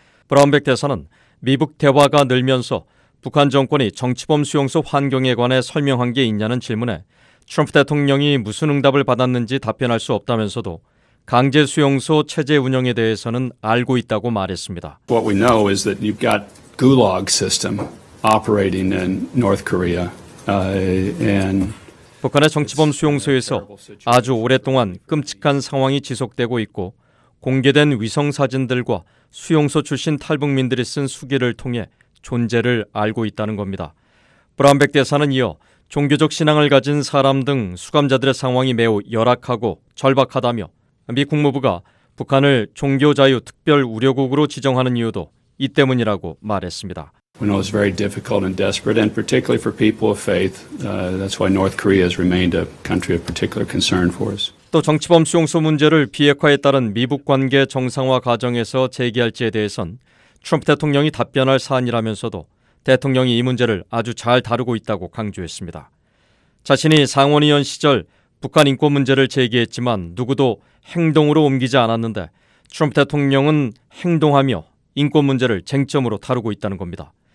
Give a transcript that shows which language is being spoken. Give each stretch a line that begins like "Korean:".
Korean: 브라운백 대사는 미북 대화가 늘면서 북한 정권이 정치범 수용소 환경에 관해 설명한 게 있냐는 질문에 트럼프 대통령이 무슨 응답을 받았는지 답변할 수 없다면서도 강제 수용소 체제 운영에 대해서는 알고 있다고 말했습니다.
English: What we know is that you've got gulag system operating in North Korea. And
Korean: 북한의 정치범 수용소에서 아주 오랫동안 끔찍한 상황이 지속되고 있고 공개된 위성 사진들과 수용소 출신 탈북민들이 쓴 수기를 통해 존재를 알고 있다는 겁니다. 브라운백 대사는 이어 종교적 신앙을 가진 사람 등 수감자들의 상황이 매우 열악하고 절박하다며 미 국무부가 북한을 종교자유 특별 우려국으로 지정하는 이유도 이 때문이라고 말했습니다.
English: We know it's very difficult and desperate, and particularly for people of faith. That's why North Korea has remained a country of particular concern for us.
Korean: 또 정치범 수용소 문제를 비핵화에 따른 미북 관계 정상화 과정에서 제기할지에 대해선 트럼프 대통령이 답변할 사안이라면서도 대통령이 이 문제를 아주 잘 다루고 있다고 강조했습니다. 자신이 상원의원 시절 북한 인권 문제를 제기했지만 누구도 행동으로 옮기지 않았는데 트럼프 대통령은 행동하며 인권 문제를 쟁점으로 다루고 있다는 겁니다.